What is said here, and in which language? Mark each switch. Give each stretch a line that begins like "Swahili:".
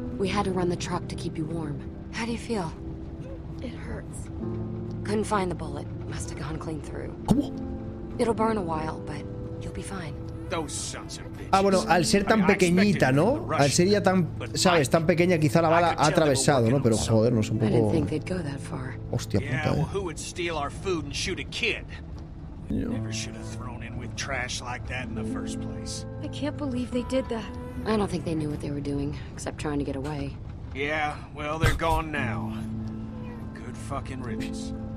English: We had to run the truck to keep you warm. How do you feel? It hurts. Couldn't find the bullet. Must have gone clean through.
Spanish: ¿Cómo?
English: It'll burn a while, but you'll be fine. Those sons of bitches.
Spanish: Ah, bueno, al ser tan pequeñita, ¿no? Al ser ya tan, sabes, tan pequeña, quizá la bala ha atravesado, ¿no? Pero joder, no es un poco. Hostia puta.
English: Who would steal our food and shoot a kid? Never should have thrown in with trash like that in the first place. I can't believe they did that. I don't think they knew what they were doing, except trying to get away. Yeah, well, they're gone now. Good fucking riddance.